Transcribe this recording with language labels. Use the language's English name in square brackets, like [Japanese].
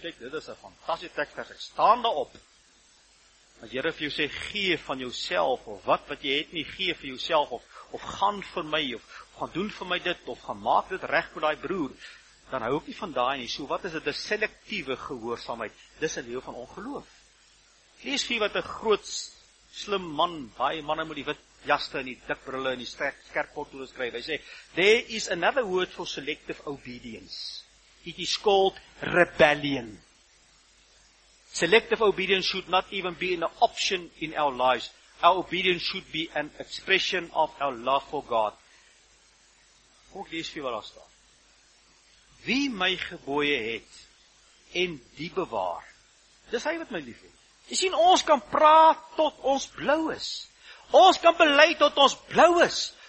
[Afrikaans] Kijk, dit is 'n fantastiese teksvers. Ek staan daarop. As Here vir jou sê, gee van jouself, of wat jy het nie, gee vir jouself, of gaan vir my, of gaan doen vir my dit, of gaan maak dit recht met die broer, dan hou ek nie van daai nie. So wat is dit? Dis selektiewe gehoorsaamheid. Dis 'n lewe van ongeloof. Lees vir wat 'n groot, slim man, baie manne met die wit jaste en die dik brille en die skerp kortoes skryf. Hy sê, [English] there is another word for selective obedience. It is called rebellion. Selective obedience should not even be an option in our lives. Our obedience should be an expression of our love for God. [Afrikaans] Kom ek lees vir wat daar staan. Wie my gebooie het en die bewaar, dis hy wat my lief het. Jy sien, ons kan praat tot ons blou is. Ons kan bely tot ons blou is.